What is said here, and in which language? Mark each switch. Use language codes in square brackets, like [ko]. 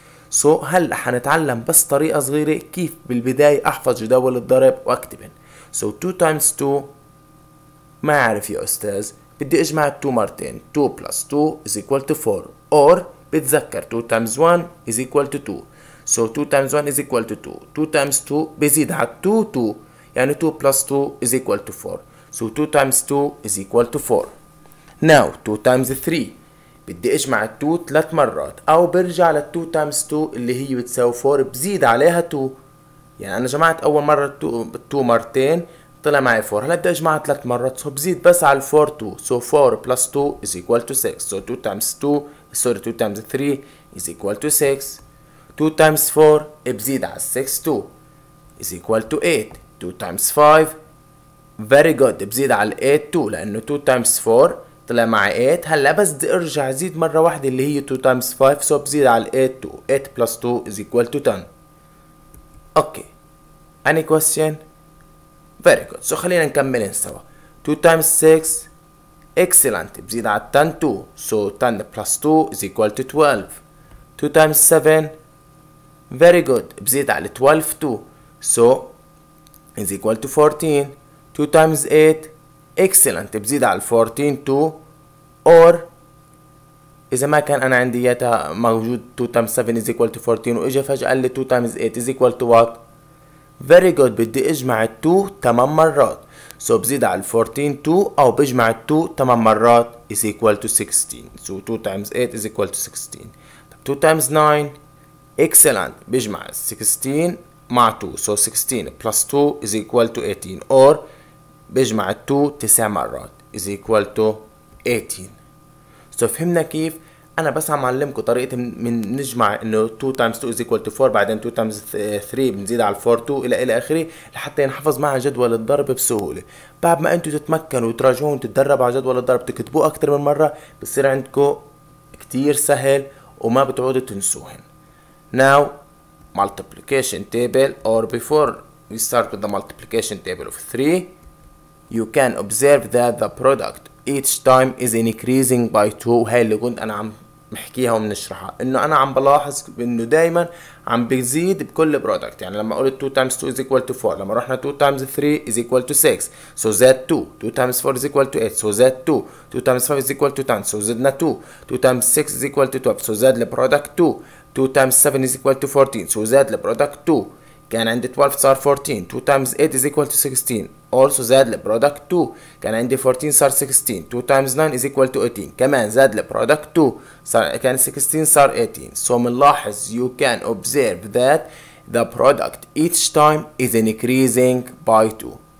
[ar] سو هلا حنتعلم بس طريقة صغيرة كيف بالبداية احفظ جداول الضرب واكتبن. [en] so 2 times 2 [ar] ما عارف يا استاذ، بدي اجمع 2 مرتين، [en] 2 plus 2 is equal to 4، or بتذكر 2 times 1 is equal to 2. So 2 times 1 is equal to 2، 2 times 2 بزيد على 2 2، يعني 2 plus 2 is equal to 4. So 2 times 2 is equal to 4. [ar] Now [en] 2 times 3 [ar] بدي اجمع 2 ثلاث مرات، او برجع ل [en] 2 times 2 [ar] اللي هي بتساوي 4 بزيد عليها 2. يعني انا جمعت اول مرة 2 مرتين طلع معي 4، هلا بدي اجمع 3 مرات سو بزيد بس على 4 2، سو [en] 4 plus 2 is equal to 6، [ar] سو 2 times 2 سوري [en] 2 times 3 is equal to 6، [ar] 2 times 4 بزيد على 6 2 is equal to 8، 2 times 5 very good بزيد على 8 2 لانه 2 times 4 طلع معي 8، هلا بس بدي ارجع زيد مره واحده اللي هي 2 times 5 سو بزيد على 8 2، 8 plus 2 is equal to 10. اوكي، [en] any question؟ Very good. [ar] So خلينا نكمل سوا. [en] 2 times 6 excellent [ar] بزيد على 10 2، [en] so 10 plus 2 is equal to 12. 2 times 7 very good بزيد على 12 2، so is equal to 14. [ar] 2 times 8 excellent بزيد على 14 2، or إذا ما كان أنا عندي إياها موجود [en] 2 times 7 is equal to 14 [ar] وإجا فجأة قال لي 2 times 8 is equal to what؟ very good بدي اجمع 2 8 مرات سو بزيد على 14 2 او بجمع 2 8 مرات is equal to 16 سو [en] 2 times 8 is equal to 16. 2 times 9 excellent [ar] بجمع 16 مع 2 [en] So 16 plus 2 is equal to 18 or بجمع 2 9 مرات is equal to 18. [ar] سو فهمنا كيف انا بس عم اعلمكم طريقة من نجمع انه [en] 2 times 2 is equal to 4 [ar] بعدين 2 times 3 بنزيد على 4 2 الى اخره لحتى ينحفظ معها جدول الضرب بسهولة. بعد ما انتو تتمكنوا وتراجعون وتتدربوا على جدول الضرب تكتبوه اكتر من مرة بصير عندكم كتير سهل وما بتعودوا تنسوهن. Now [en] multiplication table, or before we start with the multiplication table of 3, you can observe that the product each time is increasing by 2. [ar] وهي اللي كنت انا عم بحكيها ومنشرحها، انه انا عم بلاحظ انه دايما عم بيزيد بكل [en] product. [ar] يعني لما قلت [en] 2 times 2 is equal to 4، لما رحنا 2 times 3 is equal to 6، so that 2. 2 times 4 is equal to 8، so that 2. 2 times 5 is equal to 10، so [ar] زدنا 2. [en] 2 times 6 is equal to 12، so [ar] زاد البرودكت 2. [en] 2 times 7 is equal to 14، so زاد البرودكت 2. [ar] كان عندي 12 صار 14. [en] 2 times 8 is equal to 16، also زاد البرودكت 2. [ar] كان عندي 14 صار 16. [en] 2 times 9 is equal to 18، [ar] كمان زاد البرودكت 2، صار كان 16 صار 18. [en] So [ar] منلاحظ، [en] you can observe that the product each time is increasing by 2.